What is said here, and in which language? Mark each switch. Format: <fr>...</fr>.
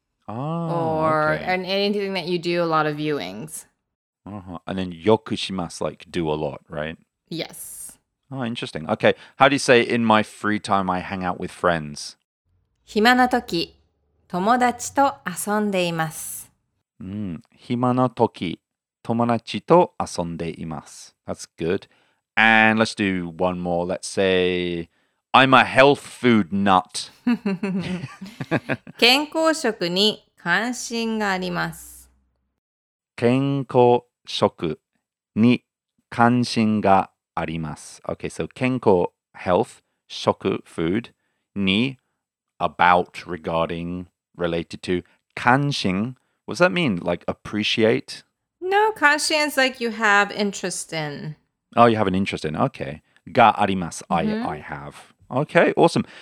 <en>And anything that you do a lot of viewings. Uh-huh. And then よくします, like do a lot, right? Yes. Oh, interesting. Okay. How do you say in my free time I hang out with friends?</en> <ja>暇な時、友達と遊んでいます。暇な時、友達と遊んでいます。</ja> <en>That's good. And let's do one more. Let's say I'm a health food nut.</en> <ja>健康食に関心があります。健康食に関心があります。</ja> <en>Okay, so 健康 health, 食 food, に about, regarding, related to, 関心, what does that mean? Like appreciate? No, 関心 is like you have interest in. Oh, you have an interest in, okay. があります, mm-hmm. I have. Okay, awesome.</en>